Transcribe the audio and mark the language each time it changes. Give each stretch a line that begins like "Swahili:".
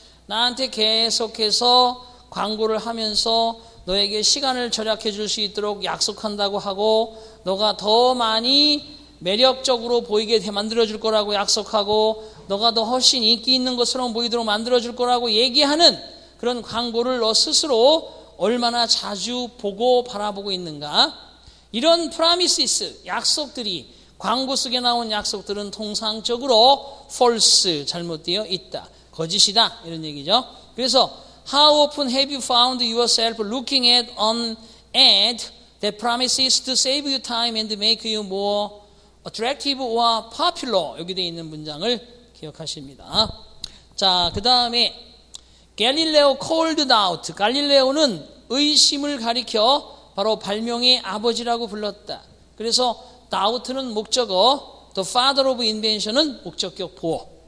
Korean: 나한테 계속해서 광고를 하면서 너에게 시간을 절약해 줄 수 있도록 약속한다고 하고 너가 더 많이 매력적으로 보이게 만들어줄 거라고 약속하고 너가 더 훨씬 인기 있는 것처럼 보이도록 만들어줄 거라고 얘기하는 그런 광고를 너 스스로 얼마나 자주 보고 바라보고 있는가? 이런 프라미시스, 약속들이 광고 속에 나온 약속들은 통상적으로 false, 잘못되어 있다. 거짓이다. 이런 얘기죠. 그래서
English: How often have you found yourself looking at an ad that promises to save you time and make you more attractive or popular?
Korean: 여기 되어 있는 문장을 기억하십니다. 자, 그 다음에 갤릴레오
English: called out.
Korean: 갈릴레오는 의심을 가리켜 바로 발명의 아버지라고 불렀다. 그래서 doubt는 목적어,
English: the father of invention
Korean: 은 목적격 보어.